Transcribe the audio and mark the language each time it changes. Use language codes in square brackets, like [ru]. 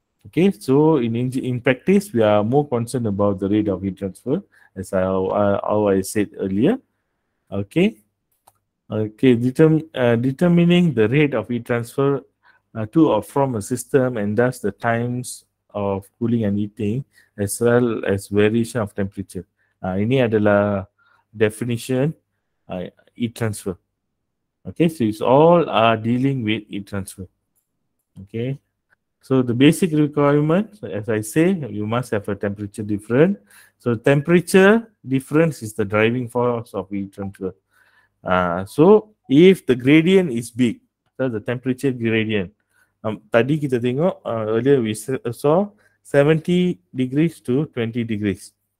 [en] Okay, so in practice, we are more concerned about the rate of heat transfer, as I said earlier. Okay. Determining the rate of heat transfer to or from a system, and thus the times of cooling and heating, as well as variation of temperature. [ms] Ini adalah definition heat transfer. [en] Okay, so it's all are dealing with heat transfer. Okay, so the basic requirement, as I say, you must have a temperature difference. So temperature difference is the driving force of heat transfer. So if the gradient is big, so the temperature gradient, [ms] tadi kita tengok, [en] earlier we saw 70 degrees to 20 degrees.